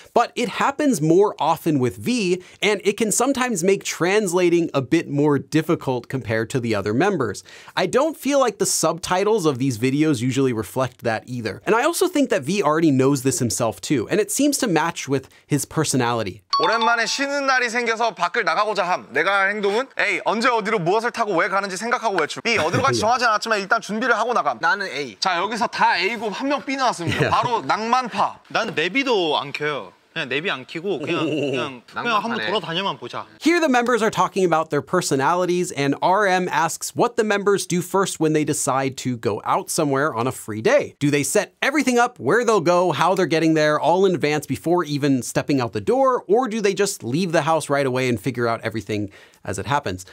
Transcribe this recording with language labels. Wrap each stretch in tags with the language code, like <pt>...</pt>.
<en>But it happens more often with V, and it can sometimes make translating a bit more difficult compared to the other members. I don't feel like the subtitles of these videos usually reflect that either. And I also think that V already knows this himself too, and it seems to match with his personality.</en> <ko>오랜만에 쉬는 날이 생겨서 밖을 나가고자 함. 내가 할 행동은? 에이, 언제 어디로 뭐 무엇을 타고 왜 가는지 생각하고 외출. B 어디로 갈지 정하지 않았지만 일단 준비를 하고 나감. 나는 A. 자 여기서 다 A고 한 명 B 나왔습니다. 바로 낭만파. 나는 내비도 안 켜요. 그냥 내비 안 켜고 그냥 한번 돌아다녀만 보자.</ko> <en>Here the members are talking about their personalities and RM asks what the members do first when they decide to go out somewhere on a free day. Do they set everything up, where they'll go, how they're getting there, all in advance before even stepping out the door, or do they just leave the house right away and figure out everything as it happens?</en>